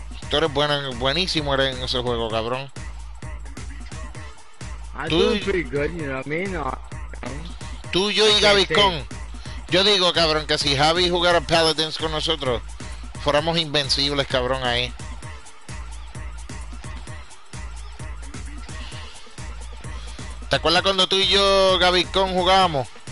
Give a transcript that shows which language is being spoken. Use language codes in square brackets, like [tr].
[es] Tú eres buenísimo eres en ese juego, cabrón. [en] I'm tú, doing pretty good, you know what I mean? [es] Tú, yo y Gaviscón. Yo digo, cabrón, que si Javi jugara Paladins con nosotros, fuéramos invencibles, cabrón, ahí. ¿Te acuerdas cuando tú y yo, Gaviscón, jugábamos?